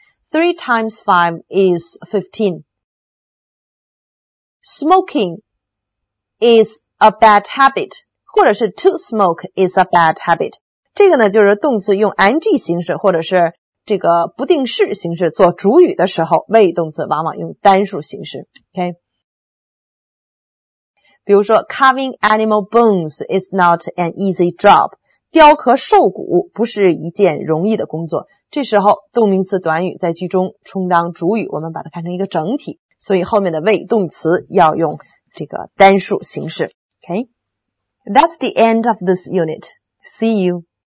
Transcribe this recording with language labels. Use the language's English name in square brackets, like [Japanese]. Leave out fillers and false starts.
[English] 3 times 5 is 15. Smoking is a bad habit, [Chinese] 或者是 [English] to smoke is a bad habit. [Chinese] 这个呢就是动词用 ing 形式或者是这个不定式形式做主语的时候，谓语动词往往用单数形式。 [English] Okay? [Chinese] 比如说 [English] carving animal bones is not an easy job. [Chinese] 雕刻兽骨不是一件容易的工作。这时候动名词短语在句中充当主语，我们把它看成一个整体，所以后面的谓语动词要用这个单数形式。 [English] Okay? That's the end of this unit. See you.